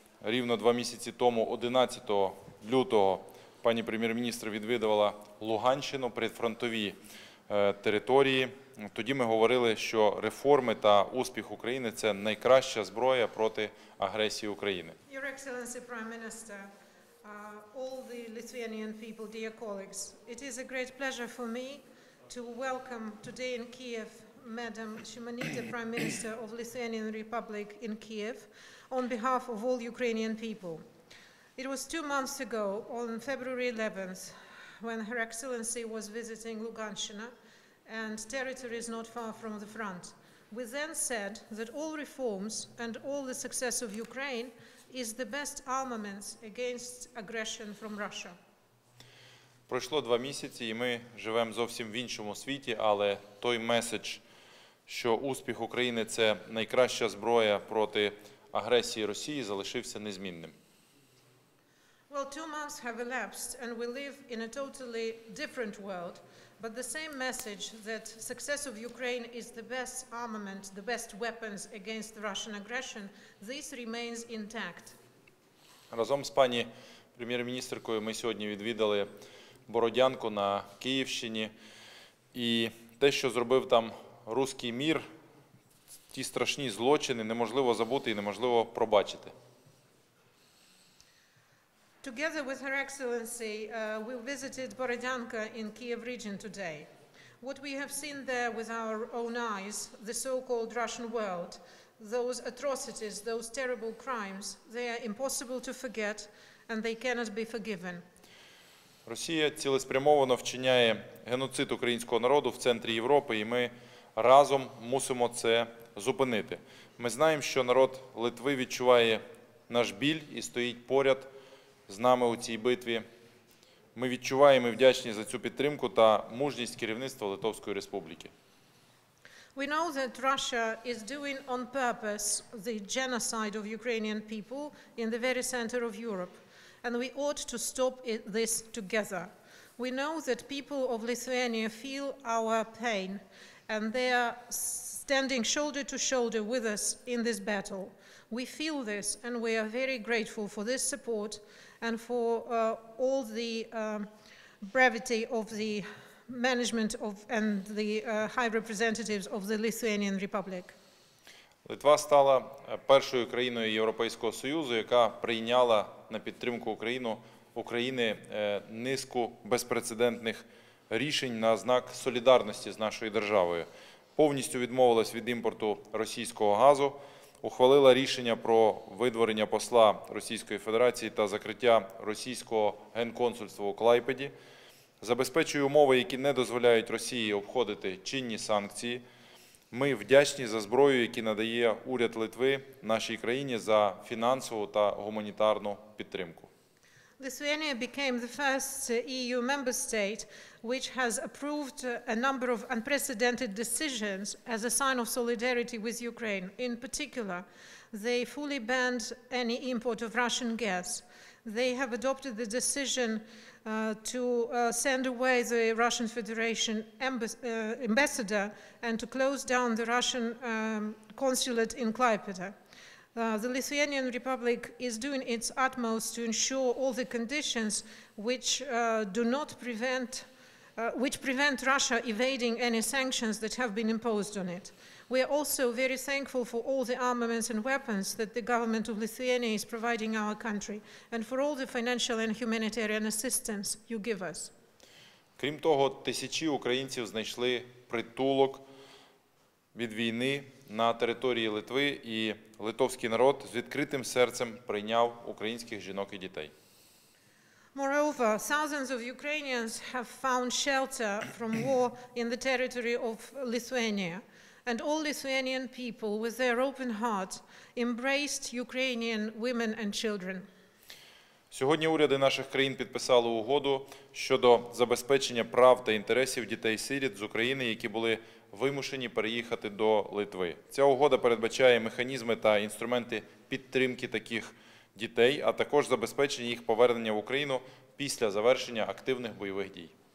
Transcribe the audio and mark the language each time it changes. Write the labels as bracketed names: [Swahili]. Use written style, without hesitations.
[Ukrainian] Рівно два місяці тому, 11 лютого, пані прем'єр-міністр відвідувала Луганщину, прифронтові території. Тоді ми говорили, що реформи та успіх України – це найкраща зброя проти агресії України. [English] Your Excellency Prime Minister, all the Lithuanian people, dear colleagues, it is a great pleasure for me to welcome today in Kiev Madam Shimonite, Prime Minister of Lithuanian Republic in Kiev, on behalf of all Ukrainian people. It was 2 months ago, on February 11th, when Her Excellency was visiting Luganshina and territories not far from the front. We then said that all reforms and all the success of Ukraine is the best armaments against aggression from Russia. [Ukrainian] Пройшло два місяці, і ми живемо зовсім в іншому світі, але той меседж, що успіх України – це найкраща зброя проти агресії Росії, залишився незмінним. [English] Well, 2 months have elapsed, and we live in a totally different world, but the same message that success of Ukraine is the best armament, the best weapons against Russian aggression, this remains intact. [Ukrainian] Разом з пані прем'єр-міністркою ми сьогодні відвідали Бородянку на Київщині, і те, що зробив там Русський мір, ті страшні злочини неможливо забути і неможливо пробачити. [English] Together with Her Excellency, we visited Borodyanka in Kiev region today. What we have seen there with our own eyes, the so-called Russian world, those atrocities, those terrible crimes, they are impossible to forget and they cannot be forgiven. [Ukrainian] Росія цілеспрямовано вчиняє геноцид українського народу в центрі Європи, і ми разом мусимо це зупинити. Ми знаємо, що народ Литви відчуває наш біль і стоїть поряд з нами у цій битві. Ми відчуваємо і вдячні за цю підтримку та мужність керівництва Литовської Республіки. [English] We know that Russia is doing on purpose the genocide of Ukrainian people in the very center of Europe. And we ought to stop this together. We know that people of Lithuania feel our pain and they are standing shoulder to shoulder with us in this battle. We feel this and we are very grateful for this support and for all the brevity of the management of and the high representatives of the Lithuanian Republic. [Ukrainian] Литва стала першою країною Європейського Союзу, яка прийняла на підтримку України низку безпрецедентних рішень на знак солідарності з нашою державою. Повністю відмовилась від імпорту російського газу, ухвалила рішення про видворення посла Російської Федерації та закриття російського генконсульства у Клайпеді, забезпечує умови, які не дозволяють Росії обходити чинні санкції. Ми вдячні за зброю, яку надає уряд Литви нашій країні за фінансову та гуманітарну підтримку. [English] Lithuania became the first EU member state which has approved a number of unprecedented decisions as a sign of solidarity with Ukraine. In particular, they fully banned any import of Russian gas. They have adopted the decision to send away the Russian Federation ambassador and to close down the Russian consulate in Klaipeda. The Lithuanian Republic is doing its utmost to ensure all the conditions which do not prevent, which prevent Russia evading any sanctions that have been imposed on it. We are also very thankful for all the armaments and weapons that the government of Lithuania is providing our country and for all the financial and humanitarian assistance you give us. [Ukrainian] Крім того, тисячі українців знайшли притулок від війни на території Литви, і литовський народ з відкритим серцем прийняв українських жінок і дітей. [English] Moreover, thousands of Ukrainians have found shelter from war in the territory of Lithuania. And all Lithuanian people, with their open hearts, embraced Ukrainian women and children. [Ukrainian] Сьогодні уряди наших країн підписали угоду щодо забезпечення прав та інтересів дітей-сиріт з України, які були вимушені переїхати до Литви. Ця угода передбачає механізми та інструменти підтримки таких дітей, а також забезпечення їх повернення в Україну після завершення активних бойових дій.